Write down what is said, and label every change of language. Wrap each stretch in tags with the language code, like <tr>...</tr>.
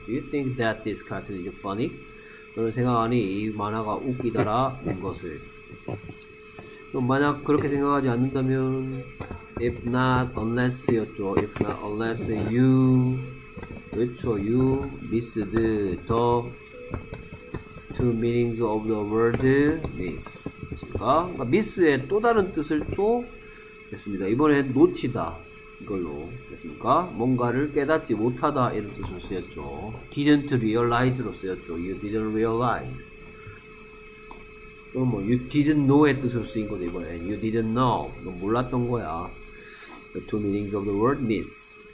<en>Do you think that this cartoon is funny?</en> <ko>너는 생각하니 이 만화가 웃기다라 는 것을. 그럼 만약 그렇게 생각하지 않는다면 If not, unless 였죠.</ko> <en>If not, unless you 그렇죠. You missed the two meanings of the word miss.</en> <ko>그러니까 miss의 또 다른 뜻을 또 했습니다. 이번엔 놓치다 이걸로 됐습니까? 뭔가를 깨닫지 못하다 이런 뜻으로 쓰였죠.</ko> <en>Didn't realize로 쓰였죠. You didn't realize.</en> <ko>또는 뭐</ko> <en>You didn't know의</en> <ko>뜻으로 쓰인 거죠. 이번엔</ko> <en>You didn't know.</en> <ko>너 몰랐던 거야.</ko> <en>The two meanings of the word miss.</en>